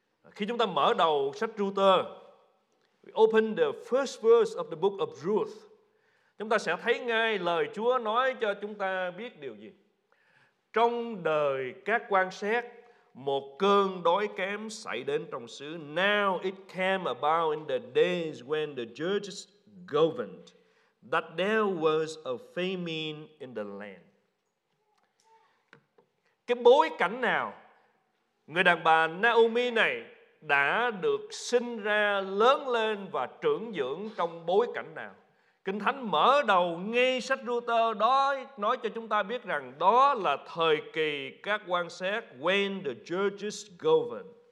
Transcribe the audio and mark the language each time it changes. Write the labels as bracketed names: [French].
[Vietnamese] Khi chúng ta mở đầu sách Rô-tơ, [English] we open the first verse of the book of Ruth, [Vietnamese] chúng ta sẽ thấy ngay lời Chúa nói cho chúng ta biết điều gì. Trong đời các quan xét, một cơn đói kém xảy đến trong xứ. [English] Now it came about in the days when the judges governed that there was a famine in the land. [Vietnamese] Cái bối cảnh nào người đàn bà Naomi này đã được sinh ra, lớn lên và trưởng dưỡng trong bối cảnh nào? Kinh Thánh mở đầu ngay sách Rô-tơ đó nói cho chúng ta biết rằng đó là thời kỳ các quan xét, [English] when the judges govern.